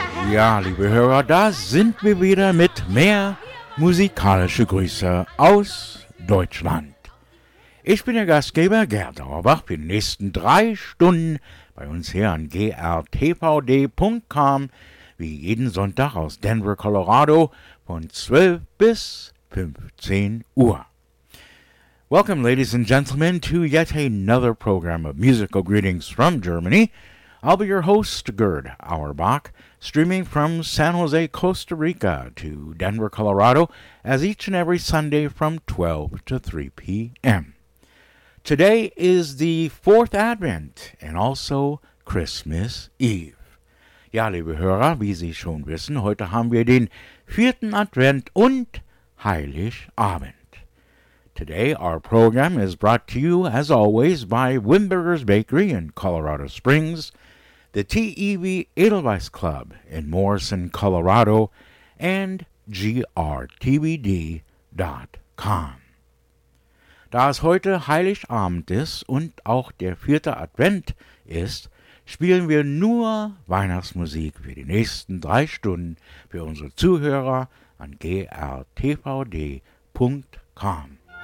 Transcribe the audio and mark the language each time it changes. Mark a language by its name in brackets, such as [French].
[German] Ja, liebe Hörer, da sind wir wieder mit mehr musikalische Grüße aus Deutschland. Ich bin der Gastgeber Gerd Auerbach, für die nächsten 3 Stunden bei uns hier an grtvd.com, wie jeden Sonntag aus Denver, Colorado, von 12 bis 15 Uhr. [English] Welcome, ladies and gentlemen, to yet another program of musical greetings from Germany. I'll be your host, Gerd Auerbach, streaming from San Jose, Costa Rica to Denver, Colorado, as each and every Sunday from 12 to 3 p.m. Today is the 4th Advent and also Christmas Eve. [German] Ja, liebe Hörer, wie Sie schon wissen, heute haben wir den 4. Advent und Heiligabend. [English] Today our program is brought to you, as always, by Wimberger's Bakery in Colorado Springs, the TEV Edelweiss Club in Morrison, Colorado, and grtvd.com. [German] Da es heute Heiligabend ist und auch der 4. Advent ist, spielen wir nur Weihnachtsmusik für die nächsten 3 Stunden für unsere Zuhörer an grtvd.com.